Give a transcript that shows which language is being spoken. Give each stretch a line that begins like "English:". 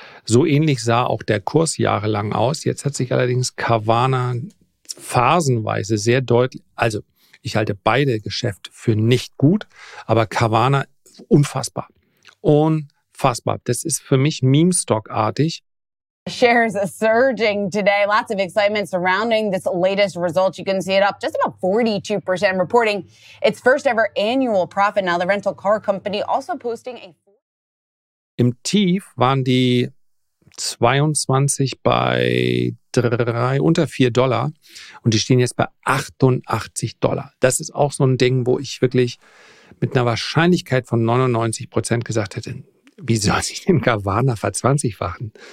German: So ähnlich sah auch der Kurs jahrelang aus. Jetzt hat sich allerdings Carvana phasenweise sehr deutlich, also ich halte beide Geschäfte für nicht gut, aber Carvana unfassbar. Unfassbar. Das ist für mich Meme-Stock-artig.
English: Shares are surging today. Lots of excitement surrounding this latest result. You can see it up just about 42% reporting its first ever annual profit. Now the rental car company also posting a...
German: Im Tief waren die 22 bei 3, unter 4 Dollar und die stehen jetzt bei 88 Dollar. Das ist auch so ein Ding, wo ich wirklich mit einer Wahrscheinlichkeit von 99% gesagt hätte, wie soll ich den Carvana verzwanzigfachen?